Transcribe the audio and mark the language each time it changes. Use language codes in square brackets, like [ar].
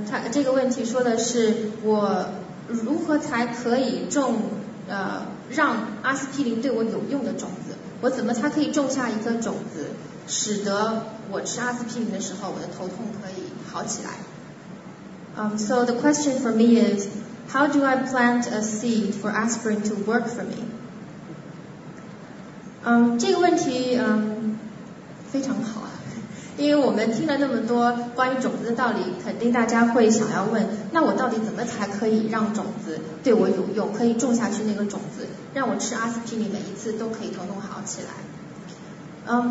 [zh] 这个问题说的是我如何才可以种让阿司匹林对我有用的种子，我怎么才可以种下一个种子使得我吃阿司匹林的时候我的头痛可以好起来。 [en] So the question for me is, how do I plant a seed for aspirin to work for me? [zh] 这个问题非常好，因为我们听了那么多关于种子的道理，肯定大家会想要问，那我到底怎么才可以让种子对我有用，可以种下去那个种子，让我吃阿司匹林每一次都可以头痛好起来。